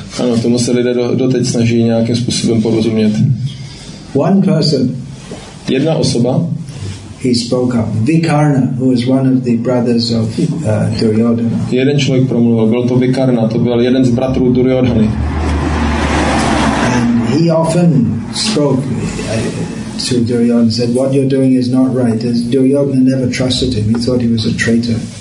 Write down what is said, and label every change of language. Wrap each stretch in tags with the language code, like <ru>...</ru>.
<cs>Ano, tomu se lidé doteď snaží nějakým způsobem porozumět.</cs> <en>One person.</en> <cs>Jedna osoba.</cs> <en>He spoke up. Vikarna, who was one of the brothers of Duryodhana.</en> <cs>Jeden člověk promluvil, byl to Vikarna, to byl jeden z bratrů Duryodhany.</cs> <en>And he often spoke to Duryodhana, said, "What you're doing is not right." And Duryodhana never trusted him. He thought he was a traitor.</en>